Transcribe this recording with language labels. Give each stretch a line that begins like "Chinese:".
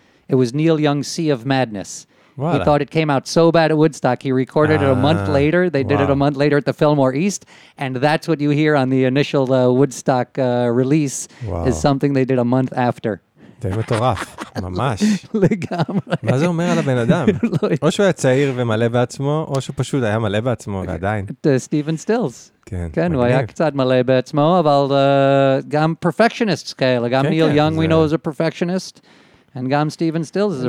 English: It was Neil Young's Sea of Madness. Voilà. He thought it came out so bad at Woodstock, he recorded it a month later. They did it a month later at the Fillmore East. And that's what you hear on the initial Woodstock release is something they did a month after.
Hebrew: זה מטורף, ממש. לגמרי. מה זה אומר על הבן אדם? או שהוא היה צעיר ומלא בעצמו, או שהוא פשוט היה מלא בעצמו ועדיין. סטיבן סטילס. כן. כן, הוא היה קצת מלא בעצמו, אבל גם פרפקשניסט כאלה. גם ניל יונג,
English: we know, is a perfectionist. And
Hebrew: גם סטיבן סטילס
English: is a pretty...